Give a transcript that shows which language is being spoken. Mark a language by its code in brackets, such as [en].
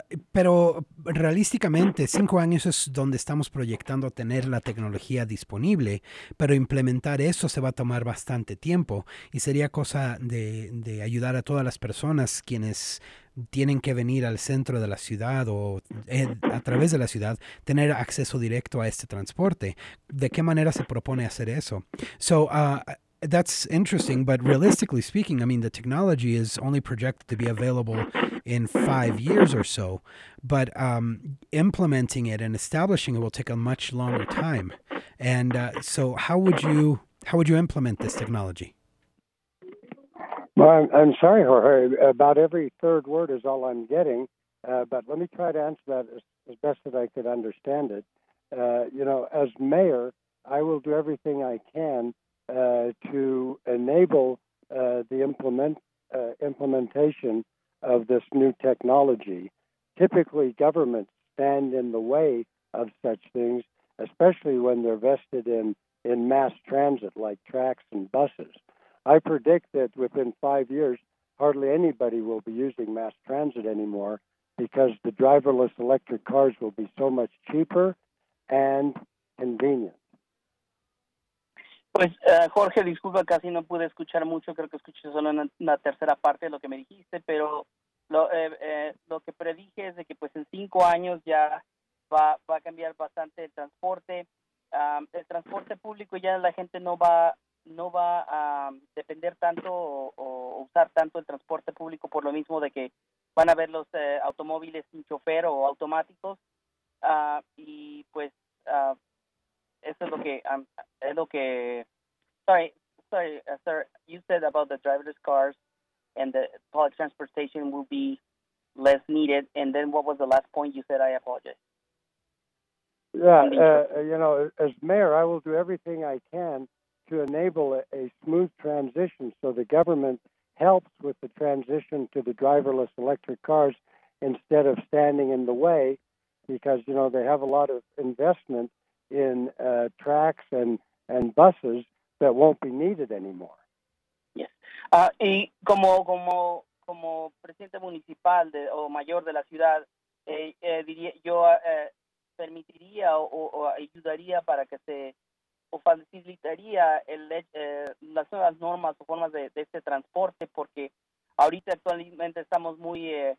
[es] Pero realísticamente 5 años es donde estamos proyectando tener la tecnología disponible, pero implementar eso se va a tomar bastante tiempo y sería cosa de ayudar a todas las personas quienes tienen que venir al centro de la ciudad o a través de la ciudad tener acceso directo a este transporte. ¿De qué manera se propone hacer eso? [en] That's interesting, but realistically speaking, I mean, the technology is only projected to be available in 5 years or so, but implementing it and establishing it will take a much longer time. And so how would you implement this technology? Well, I'm sorry, Jorge, about every third word is all I'm getting, but let me try to answer that as best as I could understand it. You know, as mayor, I will do everything I can to enable the implementation of this new technology. Typically, governments stand in the way of such things, especially when they're vested in mass transit like tracks and buses. I predict that within 5 years, hardly anybody will be using mass transit anymore because the driverless electric cars will be so much cheaper and convenient. [es] Pues, Jorge, disculpa, casi no pude escuchar mucho. Creo que escuché solo una tercera parte de lo que me dijiste, pero lo que predije es de que pues en 5 años ya va a cambiar bastante el transporte. El transporte público ya la gente no va a depender tanto o usar tanto el transporte público por lo mismo de que van a ver los automóviles sin chofer o automáticos. Eso es lo que [en] sir, you said about the driverless cars and the public transportation will be less needed, and then what was the last point you said? I apologize. Yeah, you know, as mayor, I will do everything I can to enable a smooth transition so the government helps with the transition to the driverless electric cars instead of standing in the way, because, you know, they have a lot of investment in tracks and buses that won't be needed anymore. Yes. [es] Y como presidente municipal o mayor de la ciudad, diría, yo permitiría o ayudaría para que se o facilitaría las nuevas normas o formas de este transporte, porque ahorita actualmente estamos muy